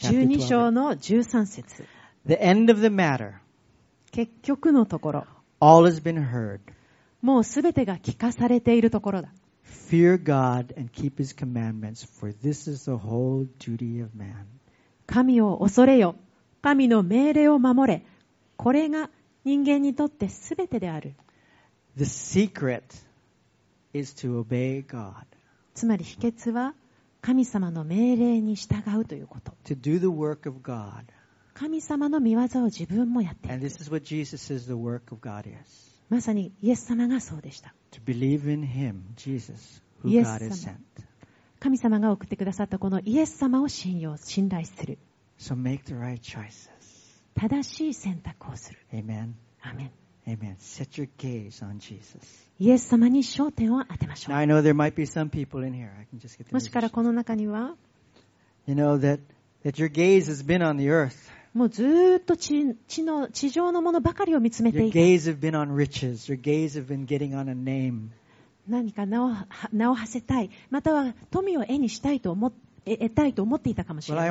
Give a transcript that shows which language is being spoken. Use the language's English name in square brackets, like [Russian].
[English] Chapter 12, verse 13. [Japanese] 12章の13節。 [English] The end of the matter. [Japanese] 結局のところ。 [English] All has been heard. [Japanese] もうすべてが聞かされているところだ。 [English] Fear God and keep His commandments, for this is the whole duty of man. [Japanese] 神を恐れよ。神の命令を守れ。これが人間にとってすべてである。 [English] The secret is to obey God. [Japanese] つまり秘訣は神様の命令に従うということ。 [English] To do the work of God. [Japanese] 神様の御業を自分もやっていく。 [English] And this is what Jesus says the work of God is. [Japanese] まさにイエス様がそうでした。 [English] To believe in Him, Jesus, who God has sent. [Japanese] 神様が送ってくださったこのイエス様を信用、信頼する。 [English] So make the right choices. [Japanese] 正しい選択をする。 [English] Amen. Amen. Amen. Set your gaze on Jesus. [Japanese] イエス様に焦点を当てましょう。 [English] Now, I know there might be some people in here. I can just get the [Japanese] もしからこの中には、 [English] you know that your gaze has been on the earth. [Japanese] もうずっと地上のものばかりを見つめていた。 [English] Your gaze has been on riches. Your gaze has been getting on a name. [Japanese] 何か名を馳せたい、または富を得にしたいと得たいと思っていたかもしれない。